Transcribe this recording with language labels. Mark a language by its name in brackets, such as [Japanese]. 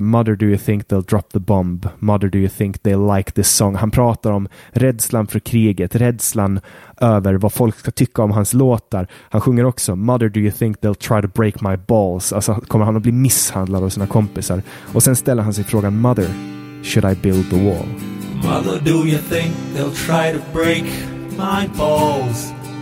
[English] Mother, do you think they'll drop the bomb? Mother, do you think they'll like this song? [Swedish] Han pratar om rädslan för kriget, rädslan över vad folk ska tycka om hans låtar. Han sjunger också [English] Mother, do you think they'll try to break my balls? [Swedish] Alltså, kommer han att bli misshandlad av sina kompisar? Och sen ställer han sig frågan [English] Mother, should I build the wall? Mother, do you think they'll try to break my balls?